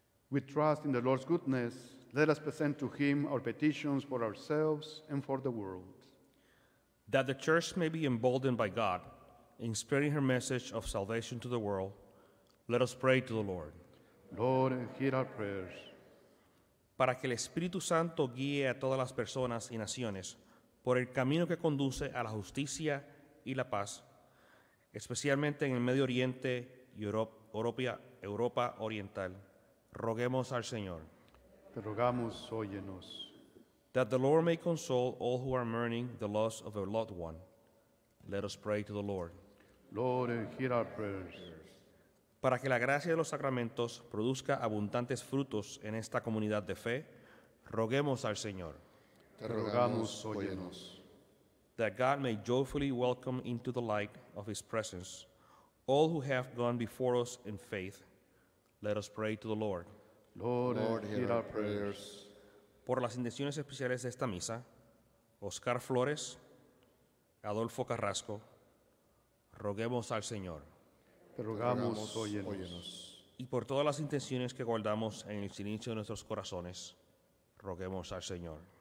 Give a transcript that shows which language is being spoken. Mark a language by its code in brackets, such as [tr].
[en] We trust in the Lord's goodness. Let us present to Him our petitions for ourselves and for the world. That the Church may be emboldened by God in spreading her message of salvation to the world, let us pray to the Lord. Lord, hear our prayers. [es] para que el Espíritu Santo guíe a todas las personas y naciones por el camino que conduce a la justicia y la paz, especialmente en el Medio Oriente y Europa Oriental. Roguemos al Señor. Te rogamos, óyenos. [en] That the Lord may console all who are mourning the loss of a loved one. Let us pray to the Lord. Lord, hear our prayers. [es] Para que la gracia de los sacramentos produzca abundantes frutos en esta comunidad de fe, roguemos al Señor. Te rogamos, óyenos. [en] That God may joyfully welcome into the light of his presence all who have gone before us in faith. Let us pray to the Lord. Lord, hear our prayers. [es] Por las intenciones especiales de esta misa, Oscar Flores, Adolfo Carrasco, roguemos al Señor. Te rogamos, óyenos. Y por todas las intenciones que guardamos en el silencio de nuestros corazones, roguemos al Señor.